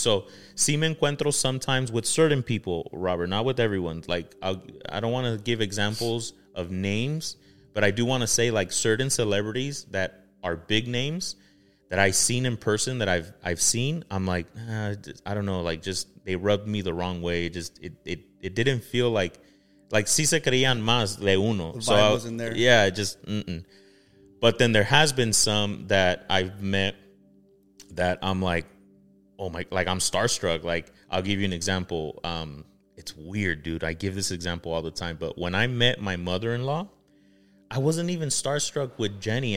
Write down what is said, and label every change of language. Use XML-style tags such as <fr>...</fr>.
<en>So,</en> <es>si me encuentro</es> <en>sometimes with certain people, Robert, not with everyone. Like, I don't want to give examples of names, but I do want to say, like, certain celebrities that are big names that I've seen in person that I've seen, I'm like, I don't know, like, just they rubbed me the wrong way. Just it didn't feel like.</en> <es>Like, si se creían más de uno.</es> <en>The vibe wasn't there. Yeah, just, mm-mm. But then there has been some that I've met that I'm like, oh my, like, I'm starstruck. Like, I'll give you an example. It's weird, dude. I give this example all the time. But when I met my mother-in-law, I wasn't even starstruck with Jenny.</en>